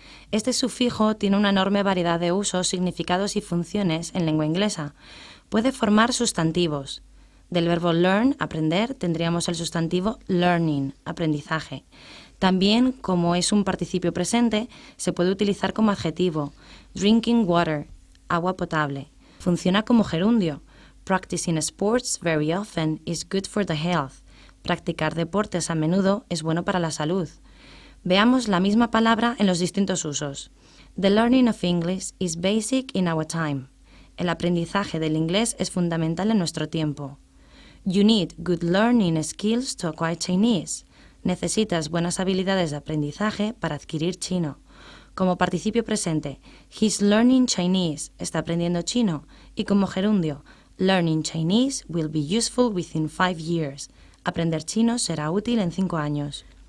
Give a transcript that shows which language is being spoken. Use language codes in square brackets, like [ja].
[es] Este sufijo tiene una enorme variedad de usos, significados y funciones en lengua inglesa. Puede formar sustantivos. Del verbo learn, aprender, tendríamos el sustantivo learning, aprendizaje. También, como es un participio presente, se puede utilizar como adjetivo. Drinking water, agua potable. Funciona como gerundio. [en] Practicing sports very often is good for the health. [es] Practicar deportes a menudo es bueno para la salud. Veamos la misma palabra en los distintos usos. [en] The learning of English is basic in our time. [es] El aprendizaje del inglés es fundamental en nuestro tiempo. [en] You need good learning skills to acquire Chinese. [es] Necesitas buenas habilidades de aprendizaje para adquirir chino. Como participio presente, [en] he's learning Chinese, [es] está aprendiendo chino. Y como gerundio, [en] learning Chinese will be useful within 5 years. [es] Aprender chino será útil en 5 años.